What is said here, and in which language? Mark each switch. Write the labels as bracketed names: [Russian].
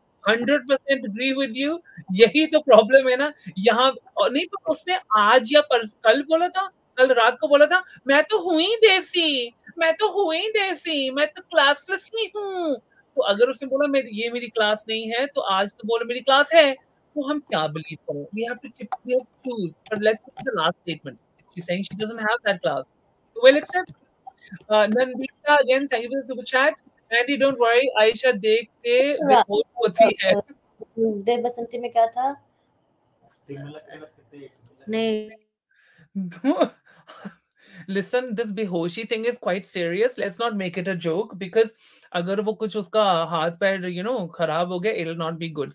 [English] 100% agree with you, [Hindi] यही तो problem है ना यहाँ। नहीं पर उसने आज या कल बोला था, कल रात को बोला था, मैं तो हुई देसी, मैं तो हुई देसी, मैं तो क्लासलेस ही हूँ। तो अगर उसने बोला मैं ये मेरी क्लास नहीं है, तो आज तो बोलो मेरी क्लास है, तो हम क्या बिलीव करें? [English] We have to choose, but let's look at the last statement. She's saying she doesn't have that class. So we'll accept. Nandita again, thank you for the super chat. [Hindi] Mandy, [English] don't worry, [Hindi] Ayesha देख के बेहोश होती है। देव बसंती में क्या था? नहीं [English] listen, this बेहोशी thing is quite serious, let's not make it a joke, because [Hindi] अगर वो कुछ उसका हाथ पैर खराब हो गया, [English] It will not be good.